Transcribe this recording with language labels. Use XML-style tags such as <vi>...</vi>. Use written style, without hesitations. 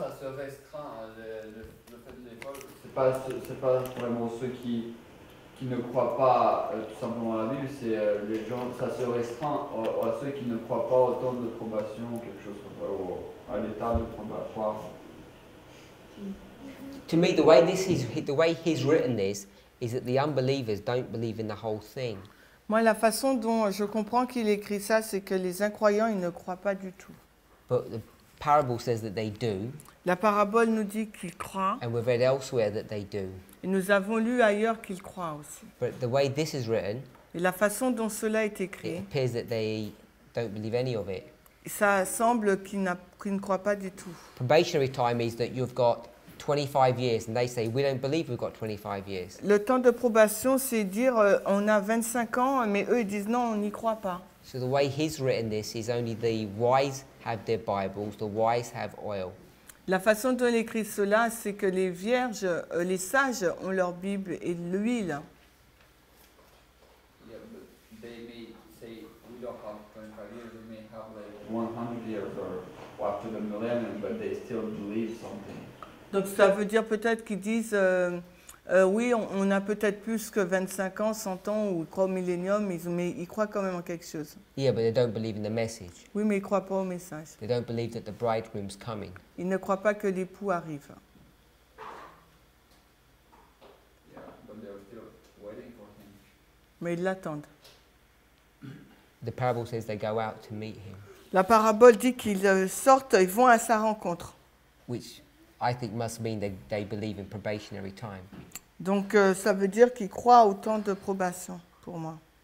<fr>Ça se restreint, le fait de l'école, c'est pas vraiment ceux qui ne croient pas tout simplement à la Bible, c'est les gens, ça se restreint à ceux qui ne croient pas au temps de probation, quelque chose comme ça, à l'état de probation.</fr> <en>To me, the way he's written this is that the unbelievers don't believe in the whole thing.</en> <fr>Moi, la façon dont je comprends qu'il écrit ça, c'est que les incroyants, ils ne croient pas du tout.</fr> <en>But the parable says that they do.</en> <fr>La parabole nous dit qu'ils croient.</fr> <en>And we've read elsewhere that they do.</en> <fr>Et nous avons lu ailleurs qu'ils croient aussi.</fr> <en>But the way this is written,</en> <fr>et la façon dont cela est écrit,</fr> <en>it appears that they don't believe any of it.</en> <fr>Ça semble qu'ils ne croient pas du tout.</fr> <en>Probationary time is that you've got 25 years, and they say we don't believe we've got 25 years.</en> <fr>Le temps de probation, c'est dire on a 25 ans, mais eux ils disent non, on n'y croit pas.</fr> <en>So the way he's written this is only the wise have their Bibles, the wise have oil.</en> <fr>La façon dont il écrit cela, c'est que les vierges, les sages ont leur Bible et l'huile.</fr> <en>Yeah, but they may say we don't have 25 years, we may have like 100 years or after the millennium, but they still believe something.</en> <fr>Donc ça veut dire peut-être qu'ils disent, oui, on a peut-être plus que 25 ans, 100 ans, ou croient au millénium, mais ils croient quand même en quelque chose.</fr> <en>Yeah, but they don't believe in the message.</en> <fr>Oui, mais ils ne croient pas au message.</fr> <en>They don't believe that the bridegroom's coming.</en> <fr>Ils ne croient pas que l'époux arrive.</fr> <en>Yeah, but they're still waiting for him.</en> <fr>Mais ils l'attendent.</fr> <en>The parable says they go out to meet him.</en> <fr>La parabole dit qu'ils sortent et vont à sa rencontre.</fr> <en>Which I think must mean that they believe in probationary time.</en> <fr>Donc ça veut dire qu'ils croient au temps de probation, pour moi.</fr>